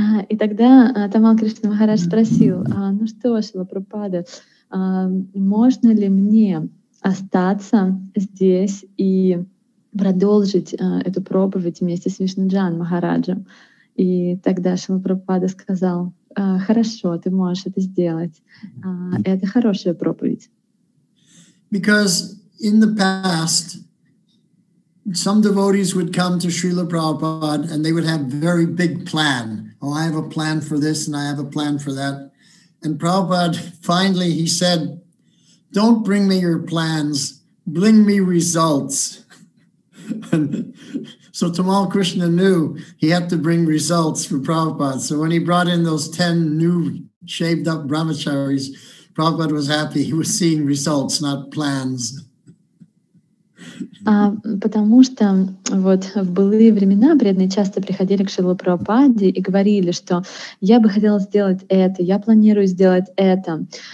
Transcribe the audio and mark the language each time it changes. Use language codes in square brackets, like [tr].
[ru] И тогда Тамал Кришна Махарадж спросил, ну что, Шрила Прабхупада, можно ли мне остаться здесь и продолжить эту проповедь вместе с Вишнуджан Махараджем. И тогда Шрила Прабхупада сказал, хорошо, ты можешь это сделать. Это хорошая проповедь. [en] Because in the past some devotees would come to Srila Prabhupada and they would have very big plan. Oh, I have a plan for this and I have a plan for that. And Prabhupada finally he said, don't bring me your plans, bring me results. And so Tamal Krishna knew he had to bring results for Prabhupada. So when he brought in those 10 new shaved up brahmacharis, Prabhupada was happy. He was seeing results, not plans. [ru] Потому что вот в былые времена преданные часто приходили к Шриле Прабхупаде и говорили, что я бы хотел сделать это, я планирую сделать это.